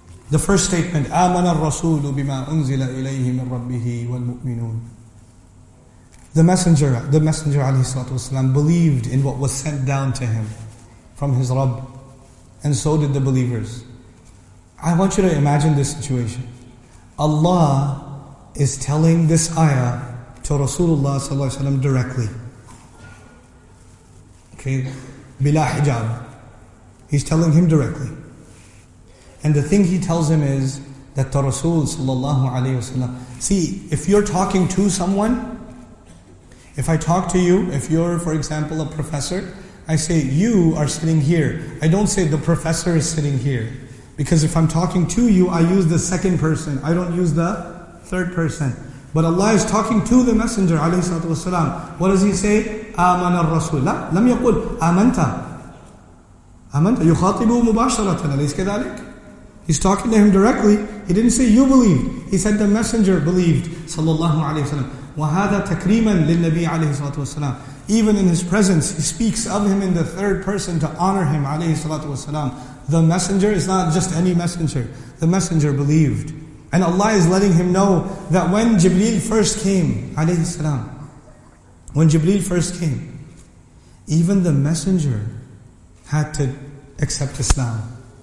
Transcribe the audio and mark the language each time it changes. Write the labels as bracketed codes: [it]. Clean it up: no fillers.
[en] The first statement, [ar] آمَنَ الرَّسُولُ بِمَا أُنزِلَ إِلَيْهِ مِنْ رَبِّهِ وَالْمُؤْمِنُونَ. [en] The Messenger [ar] عليه الصلاة والسلام, [en] believed in what was sent down to him from his Rabb, and so did the believers. I want you to imagine this situation. Allah is telling this ayah to Rasulullah sallallahu alaihi wasallam directly. Okay, bila hijab. He's telling him directly. And the thing he tells him is that to Rasul sallallahu alaihi wasallam. See, if you're talking to someone, if I talk to you, if you're, for example, a professor, I say, you are sitting here. I don't say the professor is sitting here. Because if I'm talking to you, I use the second person. I don't use the third person. But Allah is talking to the Messenger, alayhi salatu wasalam. What does he say? [ar] آمن الرسول. لم يقول آمنت. آمنت. يخاطبه مباشرة. أليس كذلك؟ [en] He's talking to him directly. He didn't say you believed. He said the Messenger believed. [ar] صلى الله عليه وسلم. وهذا تكريما للنبي عليه الصلاة والسلام. [en] Even in his presence, he speaks of him in the third person to honor him, [ar] عليه الصلاة والسلام. [en] The Messenger is not just any messenger. The Messenger believed. And Allah is letting him know that when Jibreel first came, alayhi salam, when Jibreel first came, even the Messenger had to accept Islam.